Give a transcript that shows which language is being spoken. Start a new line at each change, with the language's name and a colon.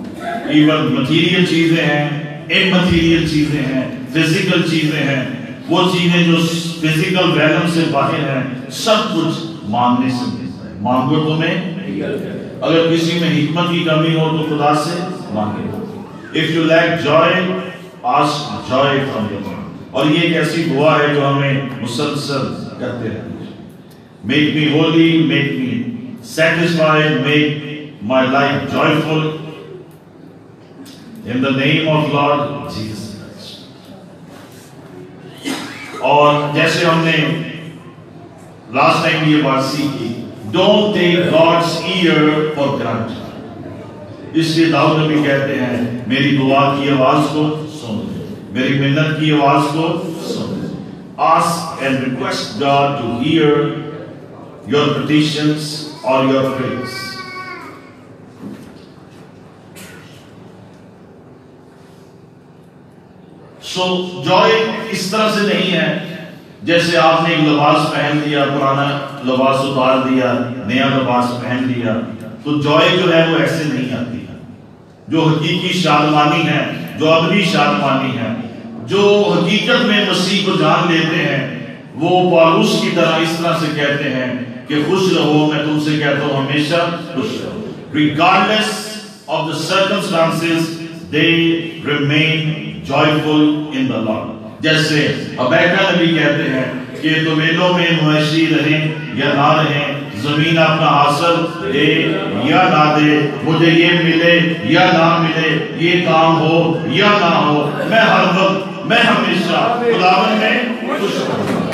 Urdu: Even material چیزیں ہیں، ان material چیزیں ہیں، فزیکل چیزیں ہیں، وہ چیزیں جو فزیکل ویلم سے باہر ہیں، سب کچھ مانگنے سے ملتا ہے. مانگو تو میں اگر کسی میں حکمت کی کمی ہو تو خدا سے مانگے.
English: If you lack joy, ask joy from God.
Urdu: اور یہ ایک ایسی دعا ہے جو ہمیں مسلسل کرتے رہنا چاہیے.
English: Make me holy, make me satisfied, make my life joyful in the name of Lord Jesus.
Urdu: اور جیسے ہم نے لاسٹ ٹائم یہ بات سیکھی،
English: Don't take God's ear for grant.
Urdu: اس لیے داؤد نبی کہتے ہیں میری دعا کی آواز کو سن، میری منت کی آواز کو سن.
English: Ask and request God to hear your petitions or your prayers.
Urdu: So joy اس طرح سے نہیں ہے جیسے آپ نے ایک لباس پہن دیا، پرانا لباس اتار دیا، نیا لباس پہن لیا، تو joy جو ہے وہ ایسے نہیں آتی ہے. جو حقیقی شادمانی ہے، جو ابدی شادمانی ہے، جو حقیقت میں مسیح کو جان لیتے ہیں، وہ پالوس کی طرح اس طرح سے کہتے ہیں کہ خوش رہو، میں تم سے کہتا ہوں ہمیشہ خوش رہو.
English: Regardless of the circumstances, they remain joyful in the Lord.
Urdu: جیسے حبیکا نبی کہتے ہیں کہ تمیلوں میں مویشی رہیں یا نہ رہیں، زمین اپنا حاصل دے یا نہ دے، مجھے یہ ملے یا نہ ملے، یہ کام ہو یا نہ ہو، میں ہر وقت، میں ہمیشہ خداوند میں خوش ہوں.